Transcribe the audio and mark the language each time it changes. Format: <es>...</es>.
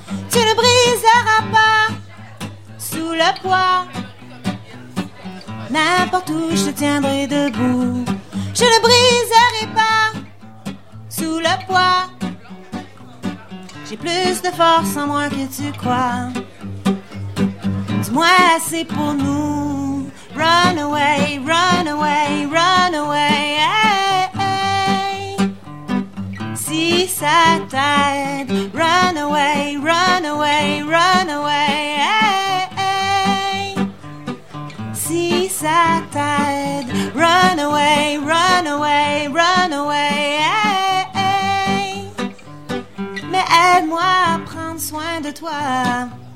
<fr>Tu ne briseras pas sous le poids, n'importe où je te tiendrai debout. Je ne briserai pas sous le poids, j'ai plus de force en moi que tu crois. Dis-moi assez pour nous.</fr> <en>Run away, run away, run away, hey, hey.</en> <fr>Si ça t'aide.</fr> <en>Run away, run away, run away, hey, hey.</en> <fr>Si ça t'aide.</fr> <en>Run away, run away, run away, hey, hey.</en> <fr>Mais aide-moi à prendre soin de toi.</fr>